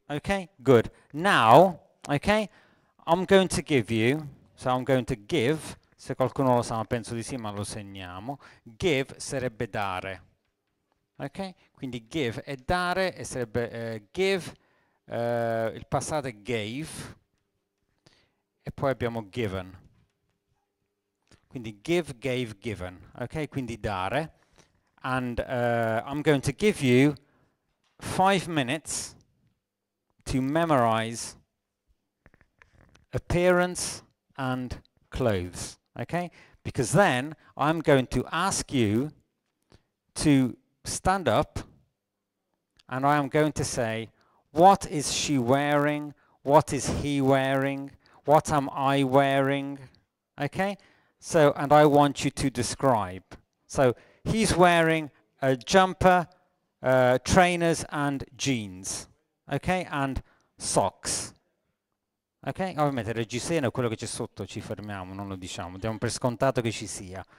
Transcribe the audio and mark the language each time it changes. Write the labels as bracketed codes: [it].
[en] Okay, good. Now, okay, I'm going to give you, so I'm going to give, [it] se qualcuno lo sa, ma penso di sì, ma lo segniamo. Give sarebbe dare. Ok? Quindi give è dare e sarebbe give, il passato è gave, e poi abbiamo given. Quindi give, gave, given. Ok? Quindi dare. [en] And I'm going to give you 5 minutes to memorize appearance and clothes, okay? Because then I'm going to ask you to stand up and I am going to say, what is she wearing? What is he wearing? What am I wearing? Okay? So, and I want you to describe. So, he's wearing a jumper, trainers and jeans, okay? And socks. [it] Ok, ovviamente il reggiseno è quello che c'è sotto, ci fermiamo, non lo diciamo, diamo per scontato che ci sia.